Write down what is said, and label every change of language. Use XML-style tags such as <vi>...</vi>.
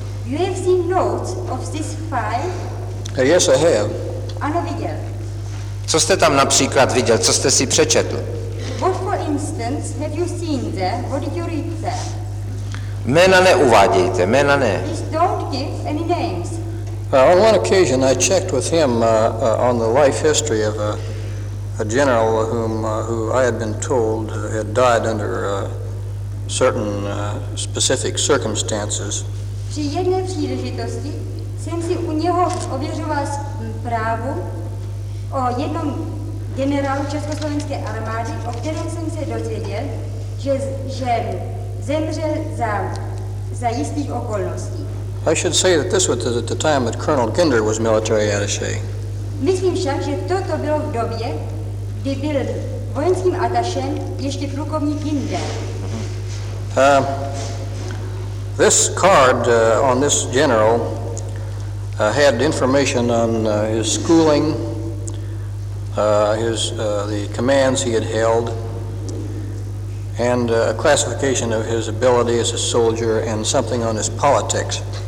<en>You have seen notes of this file? Yes, I have.</en> <cs>Ano, viděl. Co jste tam například viděl? Co jste si přečetl?</cs> <en>What for instance have you seen there? What did you read there?</en> <cs>Jména neuvádějte, jména ne.</cs> <en>Please don't give any names. On one occasion I checked with him on the life history of a general who I had been told had died under certain specific circumstances.</en> <cs>Při jedné příležitosti jsem si u něho ověřoval zprávu o jednom generálu československé armády, o kterém jsem se dozvěděl, že zemřel za jistých okolností.</cs> <en>I should say that this was at the time that Colonel Ginder was military attaché.</en> <cs>Myslím však, že toto bylo v době, kdy byl vojenským atašem ještě plukovník Ginder.</cs> <en>This card on this general had information on his schooling, the commands he had held, and a classification of his ability as a soldier and something on his politics.</en>